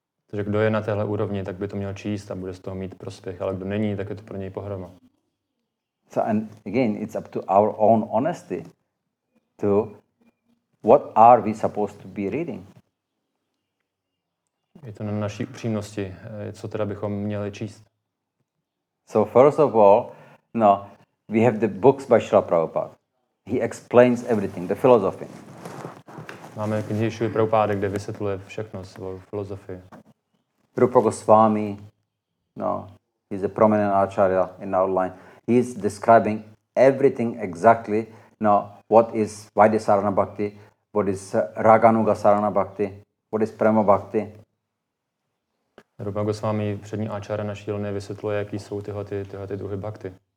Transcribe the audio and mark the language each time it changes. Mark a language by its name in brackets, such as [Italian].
[Czech] Takže kdo je na téhle úrovni, tak by to měl číst a bude z toho mít prospěch, ale kdo není, tak je to pro něj pohroma. [English] So and again, it's up to our own honesty to what are we supposed to be reading? [Czech] Je to na naší upřímnosti, co teda bychom měli číst. [English] So first of all, no, we have the books by Srila Prabhupada. He explains everything, the philosophy. [Czech] Máme knihy Šrily Prabhupády, kde vysvětluje všechno svou filozofii. [English] Rupa Goswami, no, he's a prominent acharya in our line. He's describing everything exactly, no, what is Vaidya Sarana Bhakti, what is Raganuga Sarana Bhakti, what is Prema Bhakti. [Czech] Rupa Goswami, přední acharya naší line, vysvětluje, jaký jsou tyhle ty druhy bhakti.